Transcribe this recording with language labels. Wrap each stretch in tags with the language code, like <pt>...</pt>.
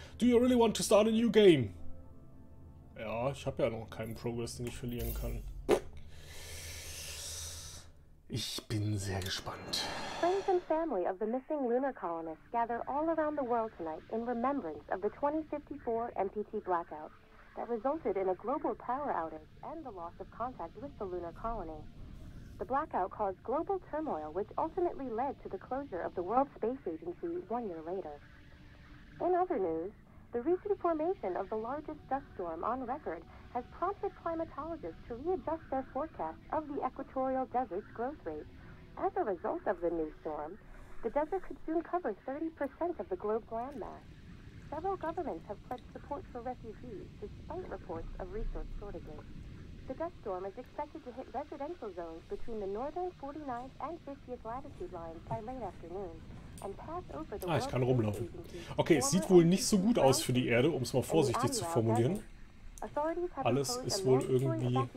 <en>Do you really want to start a new game?</en> <de>Ja, ich habe ja noch keinen Progress, den ich verlieren kann. Ich bin sehr gespannt.</de> <en>Friends and family of the missing lunar colonists gather all around the world tonight in remembrance of the 2054 MPT blackout that resulted in a global power outage and the loss of contact with the lunar colony. The blackout caused global turmoil, which ultimately led to the closure of the World Space Agency 1 year later. In other news, the recent formation of the largest dust storm on record has prompted climatologists to readjust their forecast of the equatorial desert's growth rate, As a result of the new storm, the desert could soon cover 30% of the globe's landmass. Several governments have pledged support for refugees, despite reports of resource shortages. The dust storm is expected to hit residential zones between the northern 49th and 50th latitude lines by late afternoon.</en> <de>Ah, ich kann rumlaufen. Okay, es sieht wohl nicht so gut aus für die Erde, um es mal vorsichtig zu formulieren. Alles ist wohl irgendwie...</de>